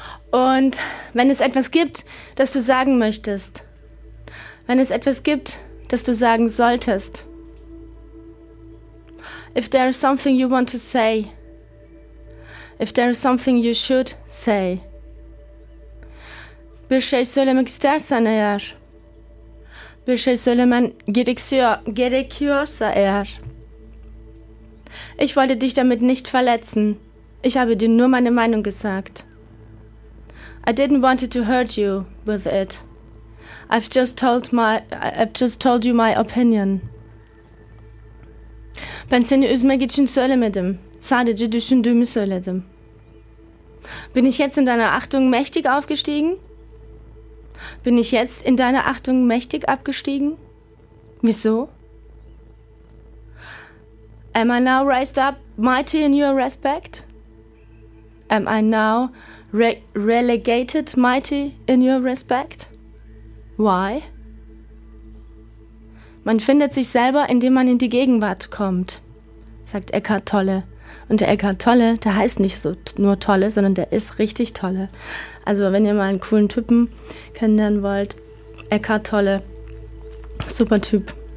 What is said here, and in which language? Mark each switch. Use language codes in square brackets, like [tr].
[de] Und wenn es etwas gibt, das du sagen möchtest, wenn es etwas gibt, das du sagen solltest, [en] if there is something you want to say, if there is something you should say, [tr] bir şey söylemek istersen eğer, bir şey söylemen gerekiyorsa eğer, [de] Ich wollte dich damit nicht verletzen. Ich habe dir nur meine Meinung gesagt. [en] I didn't want to hurt you with it. I've just told you my opinion. [tr] Ben seni üzmek için söylemedim. Sadece düşündüğümü söyledim. [de] Bin ich jetzt in deiner Achtung mächtig aufgestiegen? Bin ich jetzt in deiner Achtung mächtig abgestiegen? Wieso? [en] Am I now raised up mighty in your respect? Am I now relegated mighty in your respect? Why? [de] Man findet sich selber, indem man in die Gegenwart kommt, sagt Eckhart Tolle. Und der Eckhart Tolle, der heißt nicht so nur Tolle, sondern der ist richtig Tolle. Also wenn ihr mal einen coolen Typen kennenlernen wollt, Eckhart Tolle, super Typ.